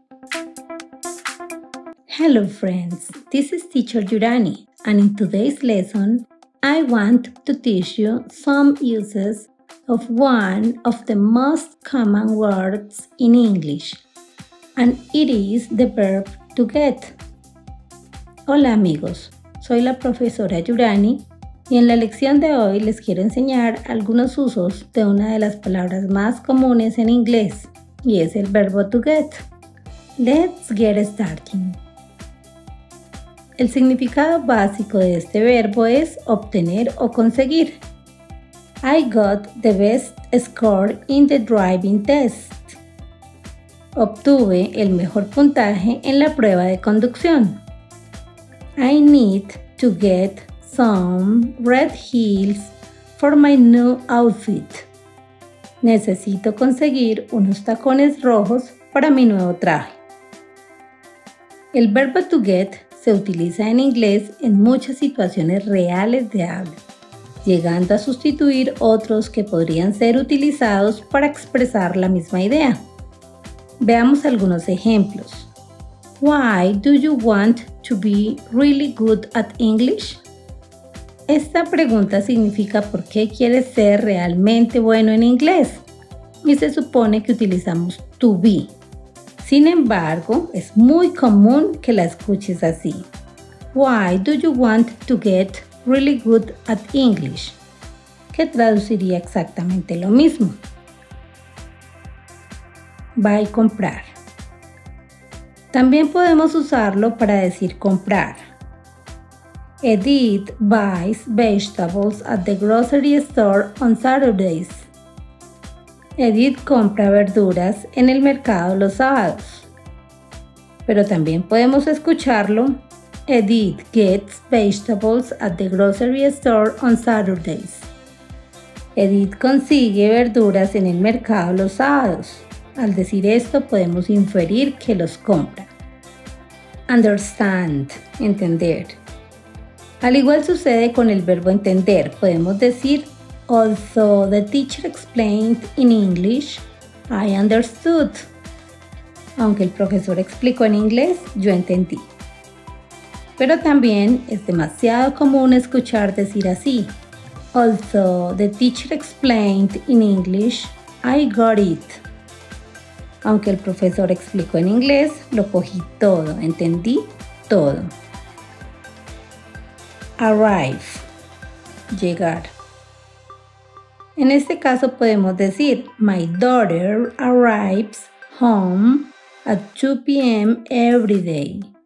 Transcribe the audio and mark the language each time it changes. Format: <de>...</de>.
<en>Hello friends, this is teacher Yurani, and in today's lesson, I want to teach you some uses of one of the most common words in English, and it is the verb to get.</en> <es>Hola amigos, soy la profesora Yurani, y en la lección de hoy les quiero enseñar algunos usos de una de las palabras más comunes en inglés, y es el verbo to get.</es> <en>Let's get started.</en> <es>El significado básico de este verbo es obtener o conseguir.</es> <en>I got the best score in the driving test.</en> <es>Obtuve el mejor puntaje en la prueba de conducción.</es> <en>I need to get some red heels for my new outfit.</en> <es>Necesito conseguir unos tacones rojos para mi nuevo traje. El verbo to get se utiliza en inglés en muchas situaciones reales de habla, llegando a sustituir otros que podrían ser utilizados para expresar la misma idea. Veamos algunos ejemplos.</es> <en>Why do you want to be really good at English?</en> <es>Esta pregunta significa ¿por qué quieres ser realmente bueno en inglés? Y se supone que utilizamos to be. Sin embargo, es muy común que la escuches así.</es> <en>Why do you want to get really good at English?</en> <es>Que traduciría exactamente lo mismo. Buy, comprar. También podemos usarlo para decir comprar.</es> <en>Edith buys vegetables at the grocery store on Saturdays.</en> <es>Edith compra verduras en el mercado los sábados. Pero también podemos escucharlo.</es> <en>Edith gets vegetables at the grocery store on Saturdays.</en> <es>Edith consigue verduras en el mercado los sábados. Al decir esto, podemos inferir que los compra. Understand, entender. Al igual sucede con el verbo entender, podemos decir</es> <en>although the teacher explained in English, I understood.</en> <es>Aunque el profesor explicó en inglés, yo entendí. Pero también es demasiado común escuchar decir así.</es> <en>Although the teacher explained in English, I got it.</en> <es>Aunque el profesor explicó en inglés, lo cogí todo, entendí todo.</es> <en>Arrive, llegar.</en> <es>En este caso podemos decir,</es> <en>my daughter arrives home at 2 p.m. every day.</en>